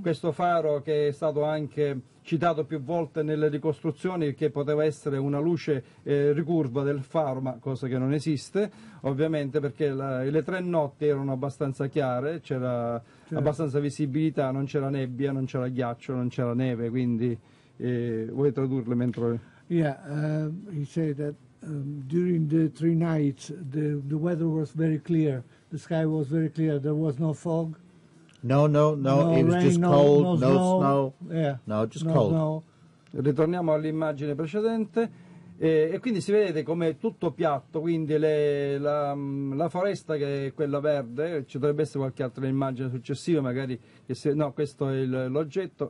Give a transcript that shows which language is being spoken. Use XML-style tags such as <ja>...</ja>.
<it>Questo faro che è stato anche citato più volte nelle ricostruzioni, che poteva essere una luce ricurva del faro, ma cosa che non esiste, ovviamente, perché le tre notti erano abbastanza chiare, c'era certo. Abbastanza visibilità, non c'era nebbia, non c'era ghiaccio, non c'era neve, quindi vuoi tradurle mentre...</it> <en>Yeah, he said that during the three nights the weather was very clear, the sky was very clear, there was no fog. No, it was just cold.</en> <it>Ritorniamo all'immagine precedente, e quindi si vede come tutto piatto, quindi la foresta, che è quella verde. Ci dovrebbe essere qualche altra immagine successiva, magari, che se, no, questo è l'oggetto.</it>